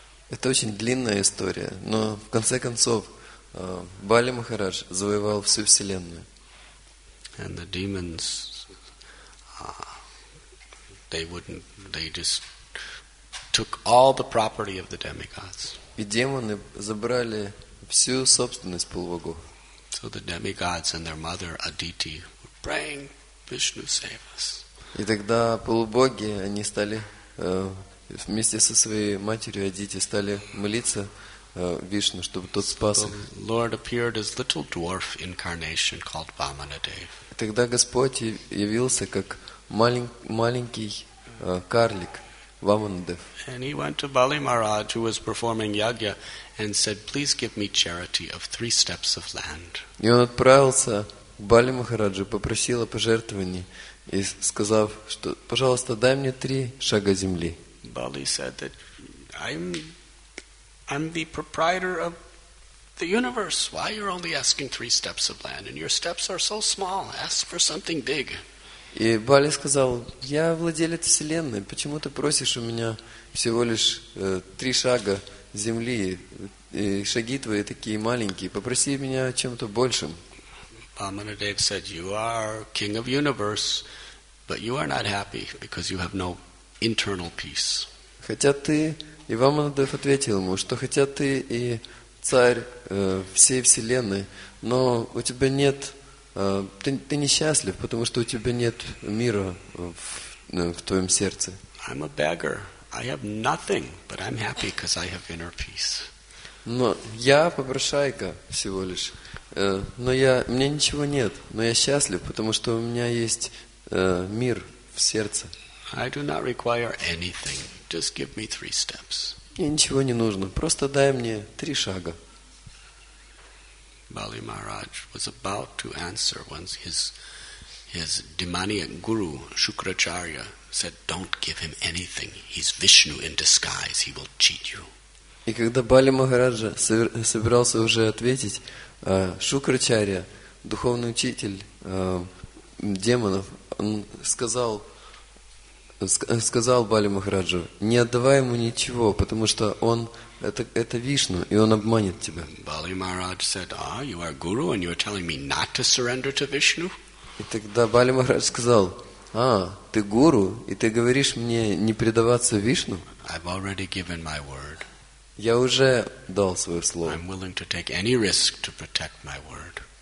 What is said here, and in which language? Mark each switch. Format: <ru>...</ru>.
<ru>Это очень длинная история, но в конце концов Бали Махарадж завоевал всю вселенную.</ru> <en>And the demons, they wouldn't, they just took all the property of the demigods.</en> <ru>И демоны забрали всю собственность полубогов.</ru> <en>So the demigods and their mother Aditi were praying, Vishnu save us.</en> <ru>И тогда полубоги, они стали вместе со своей матерью Адити стали молиться Вишну, чтобы тот спас их.</ru> <en>Lord appeared as little dwarf incarnation called Vamanadev.</en> <ru>И тогда Господь явился как маленький карлик Vamanadev.</ru> <en>And he went to Bali Maharaj, who was performing yagya, and said, "Please give me charity of 3 steps of land."</en> <ru>И он отправился к Бали Махараджу, попросил о пожертвовании и сказав, что, пожалуйста, дай мне 3 шага земли.</ru> <en>Bali said that I'm the proprietor of the universe. Why you're only asking 3 steps of land, and your steps are so small? Ask for something big.</en> <ru>И Бали сказал, я владелец вселенной, почему ты просишь у меня всего лишь 3 шага земли, и шаги твои такие маленькие, попроси меня о чем-то большем.</ru> <en>Vamanadev said, you are king of universe, but you are not happy, because you have no internal peace.</en> <ru>Хотя ты, и Vamanadev ответил ему, что хотя ты и царь всей вселенной, но у тебя нет... Ты несчастлив, потому что у тебя нет мира в твоем сердце.</ru> <en>I'm a beggar. I have nothing, but I'm happy because I have inner peace.</en> <ru>Но я попрошайка всего лишь. Но я, мне ничего нет, но я счастлив, потому что у меня есть мир в сердце.</ru> <en>I do not require anything. Just give me 3 steps.</en> <ru>Мне ничего не нужно. Просто дай мне 3 шага.</ru> <en>Bali Maharaj was about to answer when his demoniac guru Shukracharya said, "Don't give him anything. He's Vishnu in disguise. He will cheat you."</en> <ru>И когда Бали Махарадж собирался уже ответить, Шукрачарья, духовный учитель демонов, он сказал Бали Махараджу, "Не отдавай ему ничего, потому что он это Вишну, и он обманет тебя."</ru> <en>Bali Maharaj said, you are guru and you are telling me not to surrender to Vishnu?</en> <ru>И тогда Бали Махарадж сказал, ты гуру, и ты говоришь мне не предаваться Вишну?</ru> <en>I've already given my word.</en> <ru>Я уже дал свое слово.</ru> <en>I'm willing to take any risk to protect my word.</en>